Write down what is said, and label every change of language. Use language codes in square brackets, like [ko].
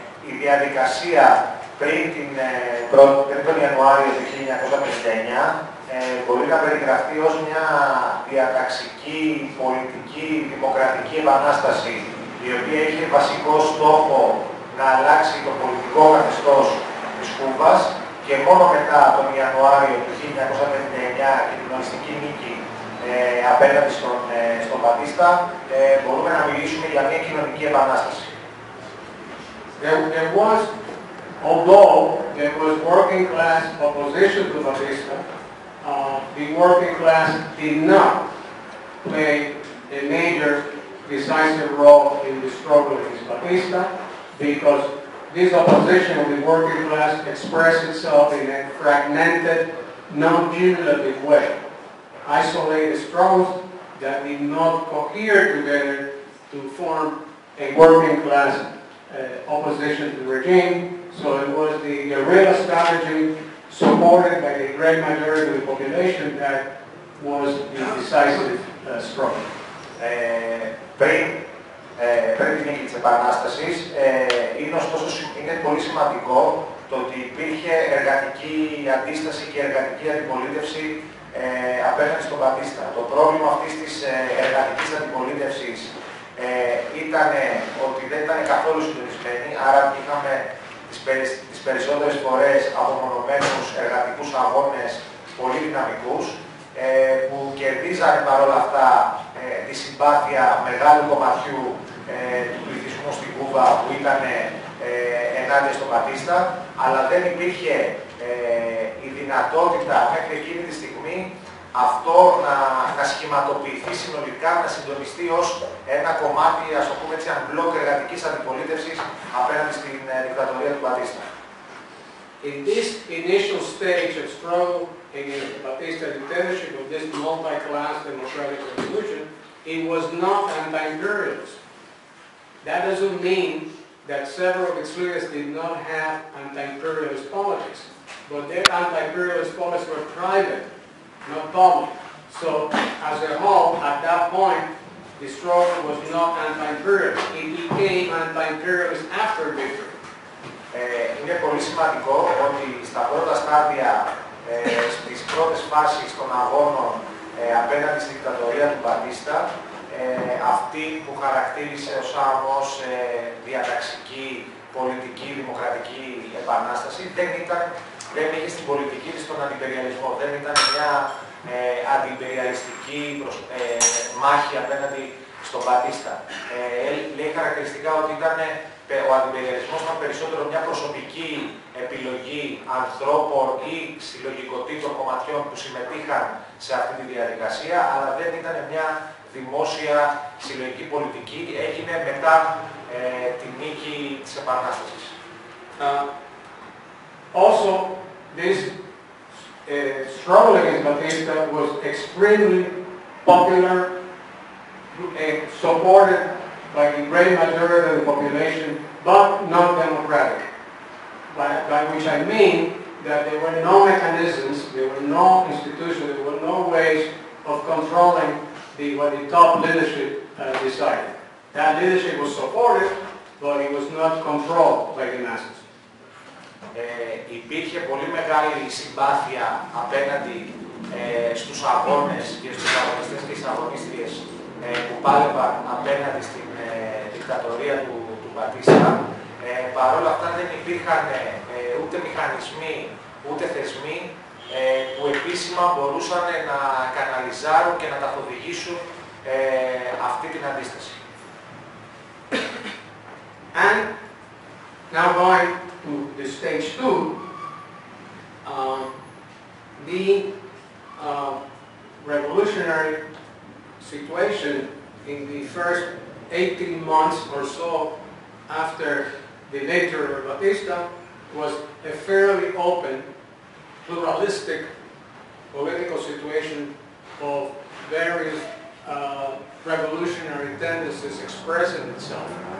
[el] Η διαδικασία πριν τον Ιανουάριο του 1959 μπορεί να περιγραφεί ως μια διαταξική, πολιτική, δημοκρατική επανάσταση, η οποία είχε βασικό στόχο να αλλάξει το πολιτικό καθεστώς της Κούβας, και μόνο μετά τον Ιανουάριο του 1959 και την ολιστική νίκη απέναντι στον Μπατίστα μπορούμε να μιλήσουμε για μια κοινωνική επανάσταση. [en] There was, although there was working class opposition to Batista, the working class did not play a major decisive role in the struggle against Batista, because this opposition of the working class expressed itself in a fragmented, non-cumulative way, isolated struggles that did not cohere together to form a working class opposition to the regime. So it was the guerrilla strategy supported by a great majority of the population that was the decisive struggle. [el] Πριν την νίκη της επανάστασης, είναι ωστόσο πολύ σημαντικό το ότι υπήρχε εργατική αντίσταση και εργατική αντιπολίτευση απέναντι στον Μπατίστα. Το πρόβλημα αυτής της εργατικής αντιπολίτευσης ήταν ότι δεν ήταν καθόλου συντονισμένοι, άρα είχαμε τις περισσότερες φορές απομονωμένους εργατικούς αγώνες πολύ δυναμικούς που κερδίζανε παρόλα αυτά τη συμπάθεια μεγάλου κομματιού του πληθυσμού στην Κούβα που ήταν ενάντια στον Μπατίστα, αλλά δεν υπήρχε η δυνατότητα μέχρι εκείνη τη στιγμή αυτό να σχηματοποιηθεί συνολικά, να συντονιστεί ως ένα κομμάτι, ας το πούμε έτσι, ένα μπλοκ εργατικής αντιπολίτευσης απέναντι στην δικτατορία του Μπατίστα. [en] In this initial stage of struggle against the Batista dictatorship of this multi-class democratic revolution, it was not anti-imperialist. That doesn't mean that several of its leaders did not have anti-imperialist policies, but their anti-imperialist policies were private, not public. So, as a whole, at that point, the struggle was not anti-imperialist. It became anti-imperialist after victory. [el] Είναι πολύ σημαντικό ότι στα πρώτα στάδια, στις πρώτες φάσεις των αγώνων απέναντι στη δικτατορία του Μπατίστα, αυτή που χαρακτήρισε ο ΣΑΜ ως διαταξική, πολιτική, δημοκρατική επανάσταση, δεν είχε στην πολιτική της τον αντιπεριαλισμό. Δεν ήταν μια αντιπεριαλιστική μάχη απέναντι στον Μπατίστα. Λέει χαρακτηριστικά ότι ήταν ο αντιπεριαλισμός ήταν περισσότερο μια προσωπική επιλογή ανθρώπων ή συλλογικοτήτων κομματιών που συμμετείχαν σε αυτή τη διαδικασία, αλλά δεν ήταν μια δημόσια συλλογική πολιτική. Έγινε μετά τη νίκη της επανάστασης. [en] Also, this struggle against Batista was extremely popular, supported by the great majority of the population, but not democratic. By which I mean that there were no mechanisms, there were no institutions, there were no ways of controlling what the top leadership decided. That leadership was supported, but it was not controlled by the masses. [el] Υπήρχε πολύ μεγάλη συμπάθεια απέναντι στους αγώνες και στους αγωνιστές και στις αγωνίστριες που πάλευαν απέναντι στην δικτατορία του Μπατίστα, Παρόλα αυτά δεν υπήρχαν ούτε μηχανισμοί, ούτε θεσμοί που επίσημα μπορούσαν να καναλιζάρουν και να καθοδηγήσουν αυτή την αντίσταση. [en] And now going to the stage two, the revolutionary situation in the first 18 months or so after the nature of Batista was a fairly open, pluralistic political situation of various revolutionary tendencies expressing itself.